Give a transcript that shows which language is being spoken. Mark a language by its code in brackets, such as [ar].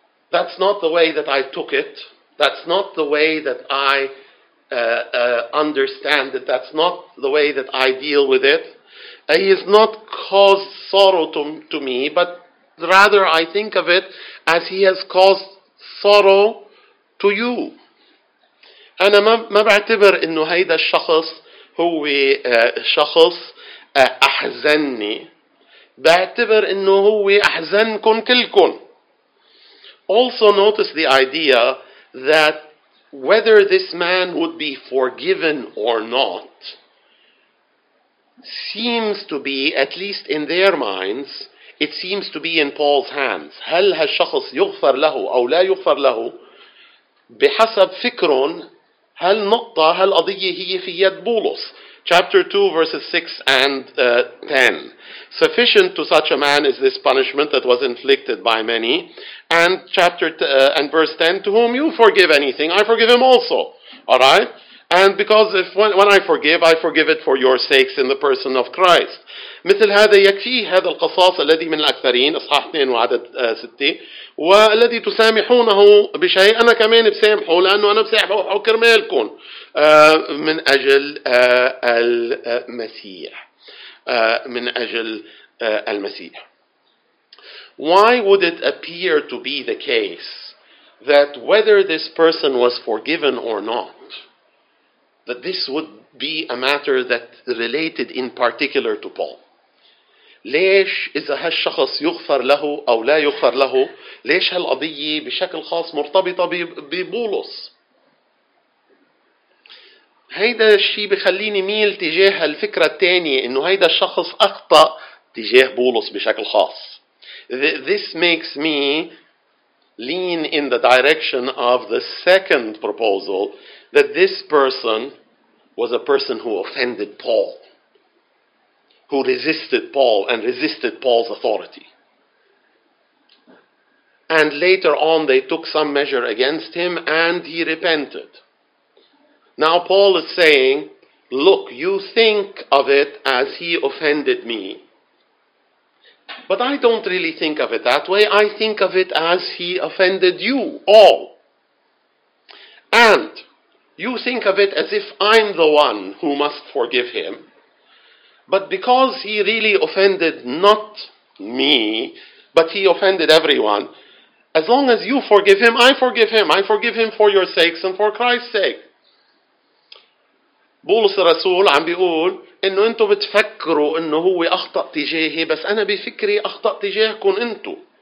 [en] That's not the way that I took it. That's not the way that I understand it. That's not the way that I deal with it. He has not caused sorrow to me, but rather I think of it as he has caused sorrow to you. [ar] أنا ما بعتبر إنه هيدا الشخص هو شخص أحزنني. بعتبر إنه هو أحزنكم كلكم. [en] Also notice the idea that whether this man would be forgiven or not seems to be, at least in their minds, it seems to be in Paul's hands. [ar] هل هالشخص يغفر له أو لا يغفر له بحسب فكرهم هل نقطة هل قضية هي في يد بولس. [en] Chapter 2, verses 6 and 10. Sufficient to such a man is this punishment that was inflicted by many. And verse 10, to whom you forgive anything, I forgive him also. All right? And because if when I forgive it for your sakes in the person of Christ. [ar] مثل هذا يكفي هذا القصاص الذي من الأكثرين إصحاح 2 وعدد 6 والذي تسامحونه بشيء أنا كمان بسامحه لأنه أنا بسامحه كرمالكم من أجل المسيح من أجل المسيح. [en] Why would it appear to be the case that whether this person was forgiven or not, that this would be a matter that related in particular to Paul? [ar] ليش إذا هالشخص يغفر له أو لا يغفر له ليش هالقضية بشكل خاص مرتبطة ببولس؟ هيدا الشيء بخليني ميل تجاه الفكرة الثانية إنه هيدا الشخص أخطأ تجاه بولس بشكل خاص. [en] This makes me lean in the direction of the second proposal that this person was a person who offended Paul, who resisted Paul and resisted Paul's authority. And later on they took some measure against him and he repented. Now Paul is saying, look, you think of it as he offended me. But I don't really think of it that way. I think of it as he offended you all. And you think of it as if I'm the one who must forgive him. But because he really offended not me, but he offended everyone, as long as you forgive him, I forgive him. I forgive him for your sakes and for Christ's sake. [ar] بولس الرسول عم بيقول انه انتو بتفكروا انه هو اخطأ تجاهي بس انا بفكري اخطأ تجاهكم انتو.